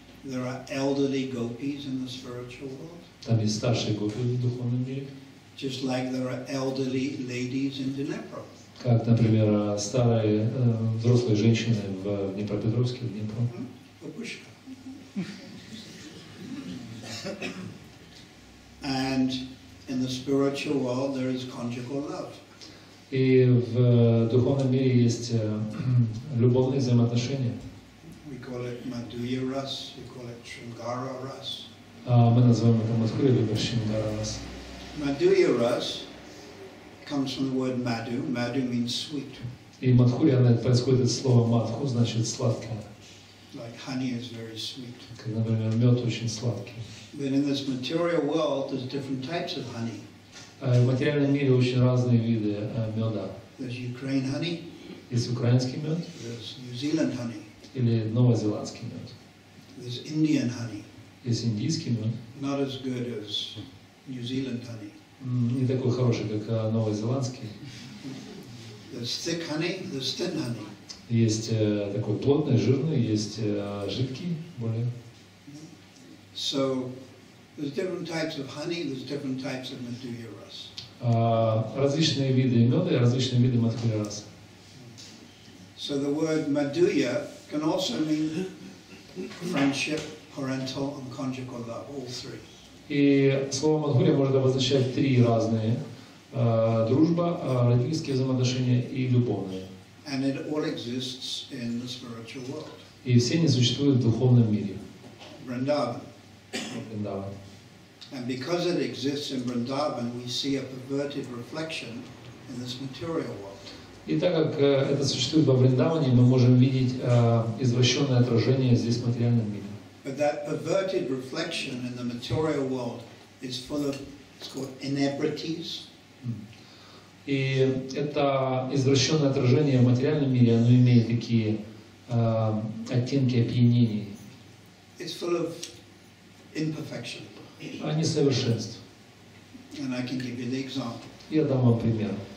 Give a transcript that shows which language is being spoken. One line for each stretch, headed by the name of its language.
English: There are elderly gopis in the spiritual world.
Russian: Там есть старшие гопи в духовном мире.
English: Just like there are elderly ladies in Dnipro.
Russian: Как, например, старые взрослые женщины в Днепропетровске, в Днепро.
English: And in the spiritual world there is conjugal love.
Russian: И в духовном мире есть любовные взаимоотношения.
English: We call it Madhurya Ras, we call it Shringara Ras.
Russian: Мы называем это Madhurya либо Shringara Ras.
English: Madhurya Ras comes from the word madhu. Madhu means sweet.
Russian: И Madhurya происходит от слова madhu, значит сладкое.
English: Like honey is very sweet.
Russian: Как, например, мед очень сладкий.
English: But in this material world, there's different types of honey.
Russian: В материальном мире очень разные виды меда.
English: There's Ukraine honey.
Russian: Есть украинский мед.
English: There's New Zealand honey.
Russian: Или новозеландский мед.
English: There's Indian honey.
Russian: Есть индийский мед.
English: Not as good as New Zealand honey.
Russian: Не такой хороший, как новозеландский.
English: There's thick honey. There's thin honey.
Russian: Есть такой плотный, жирный, есть жидкий, более.
English: So there's different types of honey, there's different types of Madhurya Ras.
Russian: Различные виды меда и различные виды Madhurya Ras.
English: So the word Madhurya can also mean friendship, parental and conjugal love, all three.
Russian: И слово Madhurya может обозначать три разные: дружба, родительские взаимоотношения и любовные.
English: And it all exists in the spiritual world.
Russian: И все они существуют в духовном мире. Вриндаван.
English: And because it exists in Vrindavan, we see a perverted reflection in this material world.
Russian: И так как это существует во Вриндаване, мы можем видеть извращенное отражение здесь в материальном мире.
English: But that perverted reflection in the material world is full of, it's called inebrities.
Russian: И это извращенное отражение в материальном мире, оно имеет такие оттенки опьянений.
English: It's full of imperfection.
Russian: А несовершенств.
English: And I can give you the example.
Russian: Я дам вам пример.